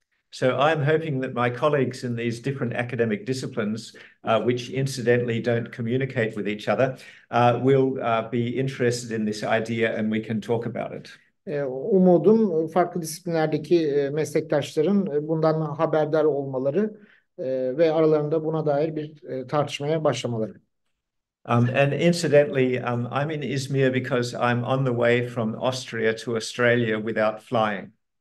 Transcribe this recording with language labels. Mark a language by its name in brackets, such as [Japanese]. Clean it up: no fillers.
[English] So I'm hoping that my colleagues in these different academic disciplines, which incidentally don't communicate with each other, will be interested in this idea and we can talk about it. [Turkish] Umudum farklı disiplinlerdeki meslektaşların bundan haberdar olmaları ve aralarında buna dair bir tartışmaya başlamaları. [English] And incidentally, I'm in Izmir because I'm on the way from Austria to Australia without flying.